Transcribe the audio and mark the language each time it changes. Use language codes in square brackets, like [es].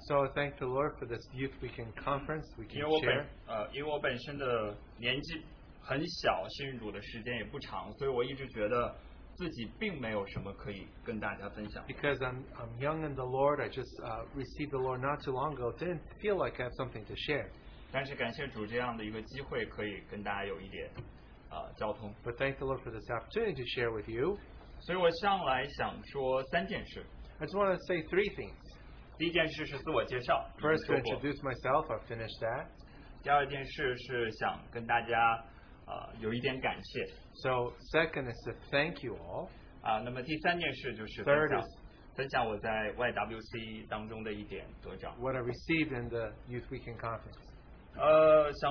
[en] So thank the Lord for this youth weekend conference. We can share. [zh] 因为我本身的年纪很小，信主的时间也不长，所以我一直觉得自己并没有什么可以跟大家分享。 [en] Because I'm young in the Lord, I just received the Lord not too long ago. Didn't feel like I have something to share. [zh] 但是感谢主这样的一个机会，可以跟大家有一点。 [en] But thank the Lord for this opportunity to share with you. [zh] 所以我向来想说三件事。 [en] I just want to say three things. [zh] 第一件事是自我介绍。 [en] First, to introduce myself, I've finished that. [zh] 第二件事是想跟大家, 有一点感谢。 [en] So, second is to thank you all. [zh] 那么第三件事就是分享我在YWC当中的一点得着。 [en] What I received in the Youth Weekend Conference.